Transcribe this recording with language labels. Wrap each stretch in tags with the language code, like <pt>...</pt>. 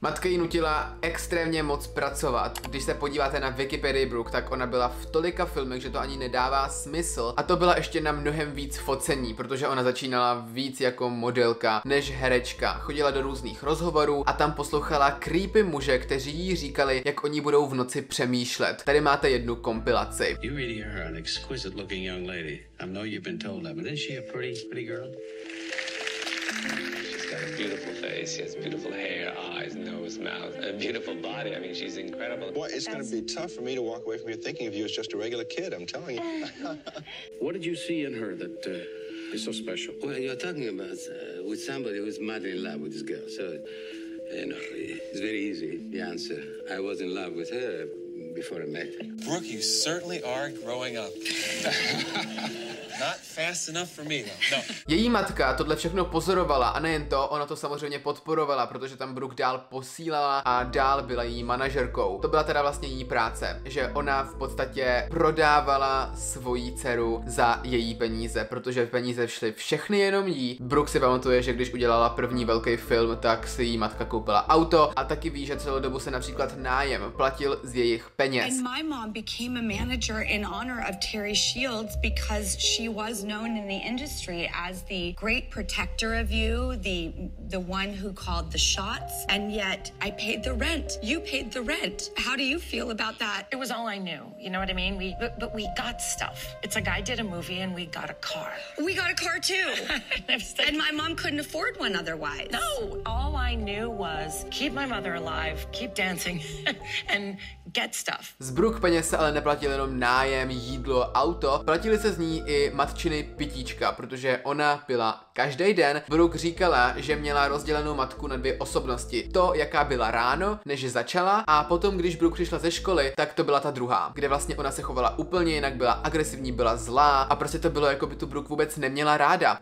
<cs>Matka jí nutila extrémně moc pracovat. Když se podíváte na Wikipedii Brooke, tak ona byla v tolika filmech, že to ani nedává smysl. A to byla ještě na mnohem víc focení, protože ona začínala víc jako modelka než herečka. Chodila do různých rozhovorů a tam poslouchala creepy muže, kteří jí říkali, jak oni budou v noci přemýšlet. Tady máte jednu kompilaci.</cs> <en>You really are an exquisite looking young lady. I know you've been told that, but isn't she a pretty girl? She's got a beautiful face, she has beautiful hair, eyes, nose, mouth, a beautiful body. I mean, she's incredible. Boy, it's gonna be tough for me to walk away from you thinking of you as just a regular kid, I'm telling you. What did you see in her that is so special? Well, you're talking about with somebody who's madly in love with this girl. So, you know, it's very easy, the answer. I was in love with her before I met her. Brooke, you certainly are growing up. Not fast enough for me, no.</en> <cs>Její matka tohle všechno pozorovala a nejen to, ona to samozřejmě podporovala, protože tam Brooke dál posílala a dál byla její manažerkou. To byla teda vlastně její práce, že ona v podstatě prodávala svoji dceru za její peníze, protože peníze šly všechny jenom jí. Brooke si pamatuje, že když udělala první velký film, tak si její matka koupila auto a taky ví, že celou dobu se například nájem platil z jejich peněz.</cs> <en>And my mom became a manager in honor of Terry Shields because she was known in the industry as the great protector of you, the one who called the shots. And yet, I paid the rent. You paid the rent. How do you feel about that? It was all I knew. You know what I mean? But we got stuff. It's like I did a movie and we got a car. We got a car too. And my mom couldn't afford one otherwise. No, all I knew was keep my mother alive, keep dancing, and get stuff.</en> <cs>Z Brooke peněz se ale neplatil jenom nájem, jídlo, auto. Platili se z ní i matčiny pitíčka, protože ona pila každý den. Brooke říkala, že měla rozdělenou matku na dvě osobnosti. To, jaká byla ráno, než začala, a potom, když Brooke přišla ze školy, tak to byla ta druhá, kde vlastně ona se chovala úplně jinak, byla agresivní, byla zlá a prostě to bylo, jako by tu Brooke vůbec neměla ráda.</cs>